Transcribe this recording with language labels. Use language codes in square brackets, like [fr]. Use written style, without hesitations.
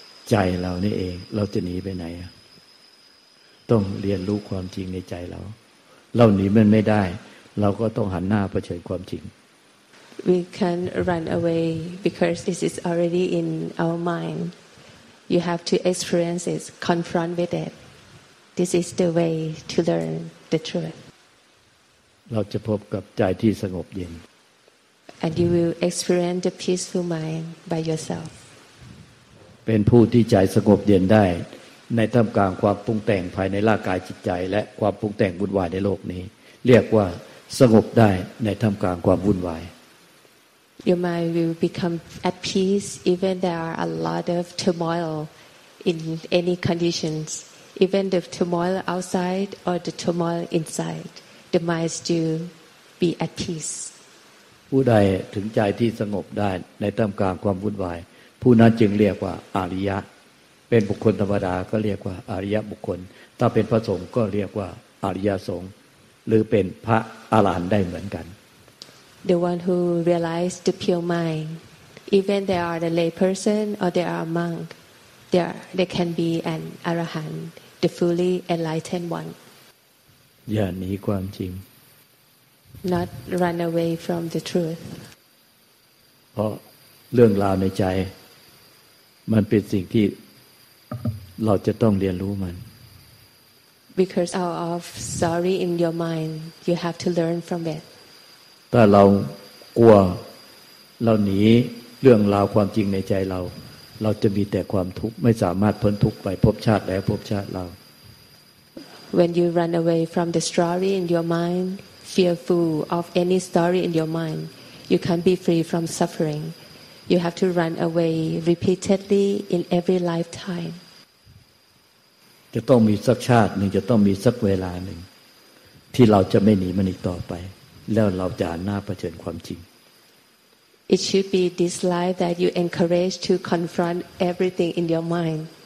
[th] ใจเรานี่เองเราจะหนีไปไหนต้องเรียนรู้ความจริงในใจเราหนีมันไม่ได้เราก็ต้องหันหน้าเผชิญความจริง [en] We can't run away because this is already in our mind. You have to experience it, confront with it. This is the way to learn the truth. [th] เราจะพบกับใจที่สงบเย็น [en] And you will experience the peaceful mind by yourself [th] เป็นผู้ที่ใจสงบเย็นได้ในท่ามกลางความปรุงแต่งภายในร่างกายจิตใจและความปรุงแต่งวุ่นวายในโลกนี้เรียกว่าสงบได้ในท่ามกลางความวุ่นวาย [en] your mind will become at peace even there are a lot of turmoil in any conditions even the turmoil outside or the turmoil inside the mind still be at peace [th] ผู้ใดถึงใจที่สงบได้ในท่ามกลางความวุ่นวายผู้นั้นจึงเรียกว่าอริยะเป็นบุคคลธรรมดาก็เรียกว่าอริยะบุคคลถ้าเป็นพระสงฆ์ก็เรียกว่าอริยสงฆ์หรือเป็นพระอรหันต์ได้เหมือนกัน [en] The one who realize the pure mind even they are the lay person or they are a monk they can be an arahant the fully enlightened one อ [th] ย่าหนีความจริง [en] not run away from the truth [th] เพราะเรื่องราวในใจมันเป็นสิ่งที่เราจะต้องเรียนรู้มัน [en] Because out of sorry in your mind you have to learn from it [th] ถ้าเรากลัวเราหนีเรื่องราวความจริงในใจเราจะมีแต่ความทุกข์ไม่สามารถพ้นทุกข์ไปภพชาติและภพชาติเรา [en] When you run away from the story in your mind fearful of any story in your mind you can't be free from sufferingYou have to run away repeatedly in every lifetime. [th] จะต้องมีสักชาติหนึ่งจะต้องมีสักเวลาหนึ่งที่เราจะไม่หนีมันอีกต่อไปแล้วเราจะหน้าเผชิญความจริง [en] It should be this life that you encourage to confront everything in your mind.